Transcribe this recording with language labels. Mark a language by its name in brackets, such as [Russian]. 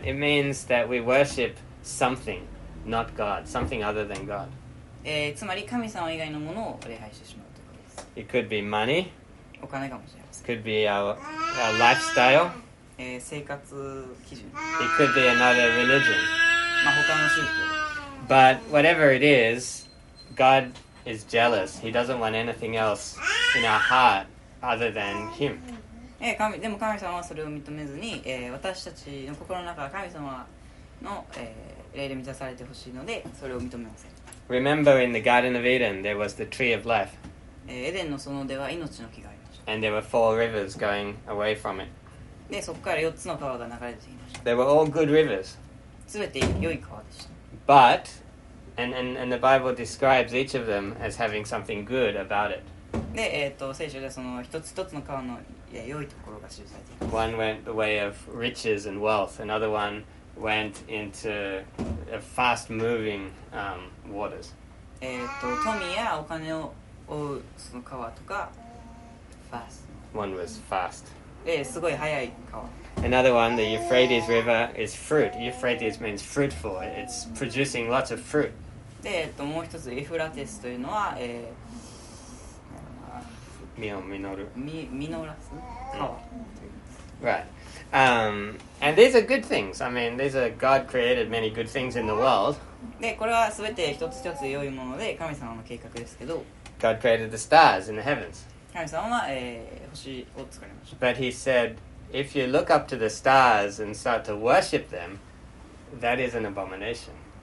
[English] It means that we worship something, not God, something other than God. [Japanese] つまり、神様以外のものを礼拝してしまうということです。 [English] It could be money. [Japanese] お金かもしれません。 [English] Could be our lifestyle. [Japanese] 生活基準。 [English] It could be another religion. [Japanese] まあ、他の宗教。 [English] But whatever it is, God is jealous. He doesn't want anything else in our heart other than Him. [Japanese] でも神様はそれを認めずに、私たちの心の中は神様の、霊で満たされてほしいので、それを認めません。 [English] Remember in the Garden of Eden, there was the tree of life. [Japanese] エデンの園では命の木がありました。 [English] And there were four rivers going away from it. [Japanese] で、そこから4つの川が流れていました。 [English] They were all good rivers. [Japanese] 全て良い川でした。 [English] But, and the Bible describes each of them as having something good about it. [Japanese] で、聖書でその一つ一つの川の良いところが記されています。 [English] One went the way of riches and wealth. Another one went into a fast-moving, waters. [Japanese] 富やお金を追うその川とか、 [English] fast. One was fast. [Japanese] すごい速い川。 [English] Another one, the Euphrates River, is fruit. Euphrates means fruitful. It's producing lots of fruit. [Japanese] で、もう一つ、エフラテスというのは、実を実る。実らす川。 [English] Right. And these are good things. I mean, these are God created many good things in the world. [Japanese] で、これは全て一つ一つ良いもので、神様の計画ですけど。 [English] God created the stars in the heavens. [Japanese] 神様は、星を作りました。 [English] But he said,If you look up to the stars and start to worship them, that is an abomination.